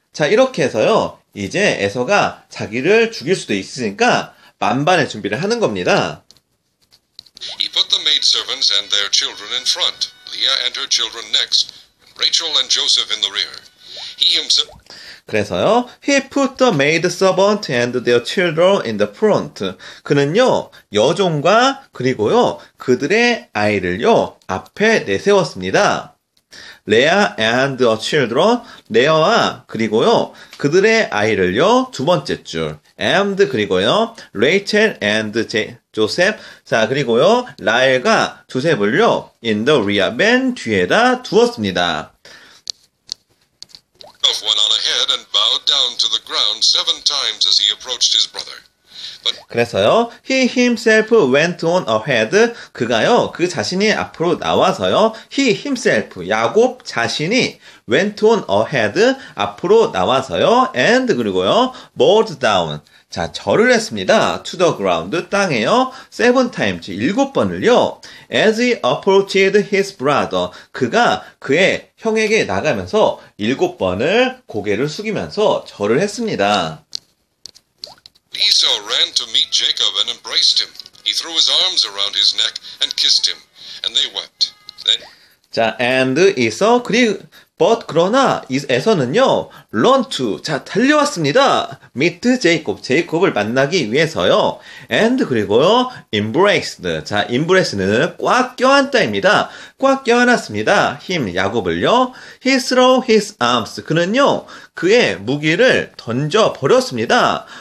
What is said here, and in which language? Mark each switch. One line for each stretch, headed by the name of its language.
Korean: 자, 이렇게 해서요, 이제 에서가 자기를 죽일 수도 있으니까 만반의 준비를 하는 겁니다.
English: He put the maid servants and their children in front, Leah and her children next, and Rachel and Joseph in the rear. He himself.
Korean: 그래서요,
English: he put the maid servant and their children in the front.
Korean: 그는요, 여종과 그리고요, 그들의 아이를요, 앞에 내세웠습니다.
English: Leah and the children,
Korean: 레아와 그리고요, 그들의 아이를요, 두 번째 줄.
English: And
Korean: 그리고요,
English: Rachel and Joseph.
Korean: 자, 그리고요, 라엘과 조셉을요,
English: in the rear,
Korean: 맨 뒤에다 두었습니다.
English: Went on ahead and bowed down to the ground seven times as he approached his brother.
Korean: 그래서요,
English: he himself went on ahead.
Korean: 그가요, 그 자신이 앞으로 나와서요, he himself, 야곱 자신이
English: went on ahead,
Korean: 앞으로 나와서요, and 그리고요, bowed down. 자, 절을 했습니다.
English: to the ground,
Korean: 땅에요,
English: seven times,
Korean: 일곱 번을요,
English: as he approached his brother.
Korean: 그가 그의 형에게 나가면서 일곱 번을 고개를 숙이면서 절을 했습니다.
English: Esau ran to meet Jacob and embraced him. He threw his arms around his neck and kissed him, and they wept. Then.
Korean: 자, and 에서 but 그러나 에서는요, run to, 자, 달려왔습니다. meet 제이콥을 만나기 위해서요. and 그리고요, embraced, 자, embrace는 꽉 껴안다입니다. 꽉 껴안았습니다. him, 야곱을요.
English: he threw his arms,
Korean: 그는요, 그의 무기를 던져 버렸습니다.